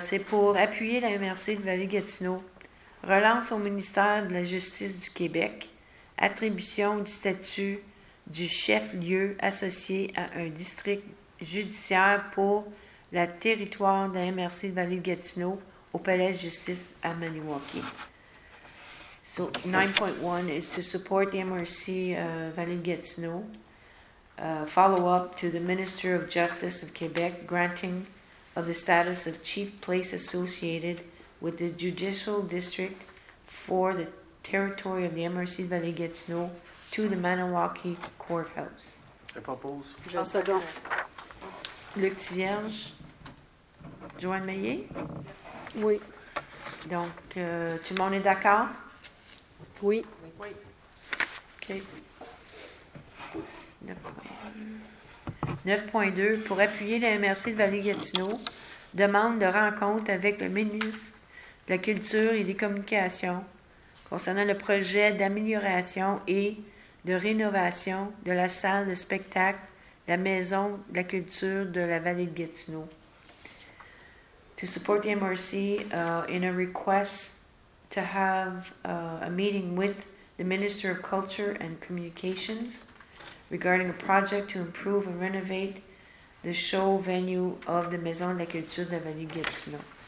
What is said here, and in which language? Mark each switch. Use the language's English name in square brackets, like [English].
[French] C'est pour appuyer la MRC de Vallée-Gatineau. Relance au ministère de la Justice du Québec, attribution du statut du chef-lieu associé à un district judiciaire pour le territoire de la MRC de Vallée-de-Gatineau au Palais de Justice à Maniwaki. [English] So, 9.1 is to support the MRC Vallée-de-Gatineau, follow-up to the Minister of Justice of Québec, granting of the status of chief place associated with the judicial district for the territory of the MRC Vallée-Gatineau to the Maniwaki Courthouse. [French] Je propose. Je second. Luc Thierge. Joanne Meillet. Oui. Donc, tout le monde est d'accord? Oui. Oui. OK. 9.2. Pour appuyer la MRC de Vallée-Gatineau, demande de rencontre avec le ministre de la culture et des communications concernant le projet d'amélioration et de rénovation de la salle de spectacle la Maison de la culture de la Vallée de Gatineau. [English] To support the MRC in a request to have a meeting with the Minister of Culture and Communications regarding a project to improve and renovate the show venue of the Maison de la culture de la Vallée de Gatineau.